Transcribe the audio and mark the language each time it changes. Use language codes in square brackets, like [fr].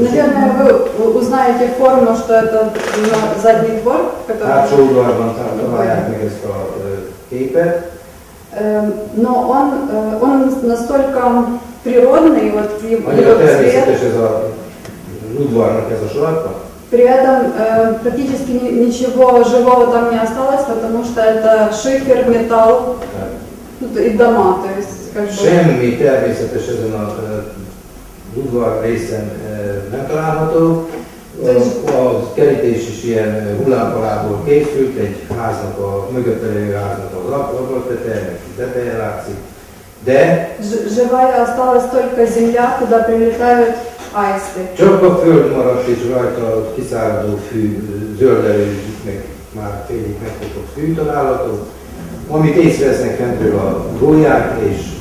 [ru] Наверное, вы узнаете форму, что это задний двор, который... [hu] Hátsó udvarban találják meg ezt a képet. [ru] Но он настолько природный, вот в его цвет. [hu] Annyira természetes ez a udvarnak ez a sorata? [ru] При этом практически ничего живого там не осталось, потому что это шифер, металл. И дома, то есть... [hu] Semmi természetes ezen a udvar részen nem található. A kerítés is ilyen hullámpalából készült, egy háznak a mögötte lévő háznak az ablaktetején, meg a tetején látszik. De... [ru] Живая осталась только земля, куда прилетают аисты. [hu] Csak a föld maradt és rajta a kiszáradó fű, zöldelő, meg már félig megfogott fű található, amit észrevesznek fentről a gólyák, és